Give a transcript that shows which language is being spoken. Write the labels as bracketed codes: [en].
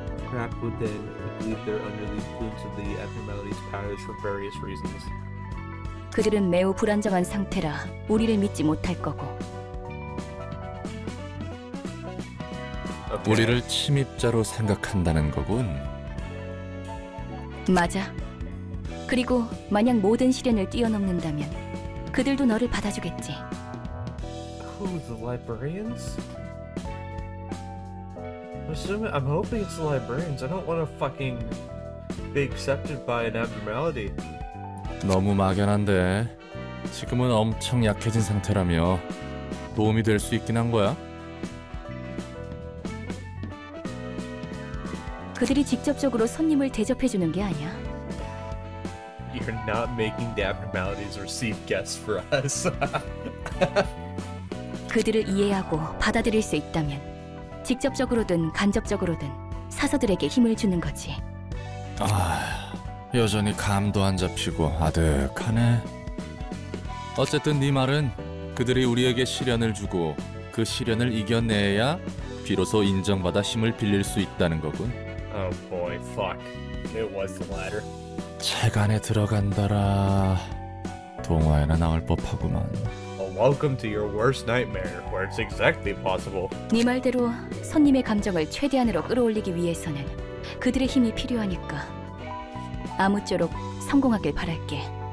[en] Trapped within, I believe they're under the influence of the abnormality's powers for various reasons. [ko] 그들은 매우 불안정한 상태라 우리를 믿지 못할 거고. [en] Okay. [ko] 우리를 침입자로 생각한다는 거군. 맞아. 그리고 만약 모든 시련을 뛰어넘는다면 그들도 너를 받아주겠지. [en] Who, the librarians? I'm hoping it's the librarians. I don't want to fucking be accepted by an abnormality. [ko] 너무 막연한데. 지금은 엄청 약해진 상태라며. 도움이 될 수 있긴 한 거야. 그들이 직접적으로 손님을 대접해주는 게 아니야. [en] You're not making the abnormalities receive guests for us. [ko] 그들을 이해하고 받아들일 수 있다면 직접적으로든 간접적으로든 사서들에게 힘을 주는 거지. 아, 여전히 감도 안 잡히고 아득하네. 어쨌든 네 말은 그들이 우리에게 시련을 주고 그 시련을 이겨내야 비로소 인정받아 힘을 빌릴 수 있다는 거군. [en] Oh boy, fuck. It was the latter. [ko] 책 안에 들어간다라. 동화에나 나올 법하구만. [en] Welcome to your worst nightmare, where it's exactly possible. [ko] 네 말대로 손님의 감정을 최대한으로 끌어올리기 위해서는 그들의 힘이 필요하니까 아무쪼록 성공하길 바랄게.